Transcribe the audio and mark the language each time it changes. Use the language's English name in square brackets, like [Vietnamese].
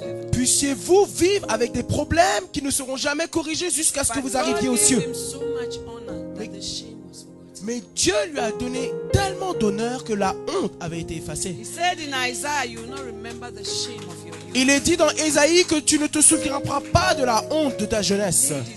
[French] Puissiez-vous vivre avec des problèmes qui ne seront jamais corrigés jusqu'à ce [English] But [French] que vous arriviez [English] God [French] aux cieux. [English] So much honor that the shame was forgotten. [French] Mais Dieu lui a donné tellement d'honneur que la honte avait été effacée. [English] He said in Isaiah, you will not remember the shame of your youth. [French] Il est dit dans Ésaïe que tu ne te souviendras pas de la honte de ta jeunesse.